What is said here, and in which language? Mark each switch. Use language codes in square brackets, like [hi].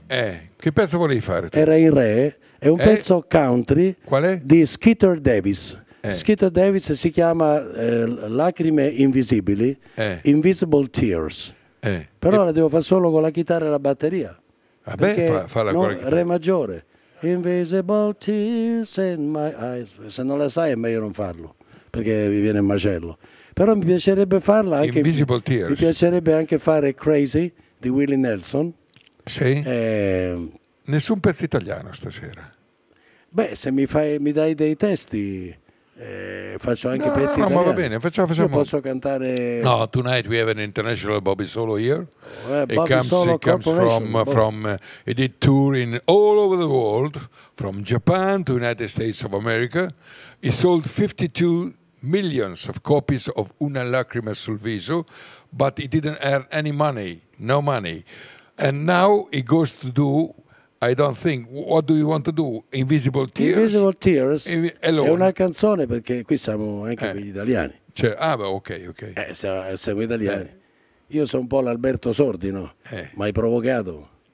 [it] Che pezzo volevi fare? Tu? Era in re. È un pezzo country. Qual è? Di Skeeter Davis. Skeeter Davis si chiama Lacrime Invisibili. [en] Invisible Tears. [it] Però la devo fare solo con la chitarra e la batteria. Vabbè, falla con la chitarra. Re maggiore. [en] Invisible Tears in my eyes. [it] Se non la sai è meglio non farlo, perché mi viene il macello. Però mi piacerebbe farla anche [en] Invisible Tears. [it] Mi piacerebbe anche fare Crazy di Willie Nelson. Sì. Nessun pezzo italiano stasera. Beh, se mi dai dei testi faccio anche pezzi italiani. No, ma va bene, facciamo. Io posso cantare. [en] No, tonight we have an international Bobby Solo here. It comes from he did tour in all over the world, from Japan to United States of America. He sold 52 millions of copies of Una Lacrima sul Viso, but he didn't earn any money, no money. And now he goes to do, I don't think, what do you want to do? Invisible Tears? [it] Invisible Tears è una canzone, perché qui siamo anche gli italiani. Cioè, ok. Siamo italiani. Io sono un po' l'Alberto Sordi, no? M'hai provocato.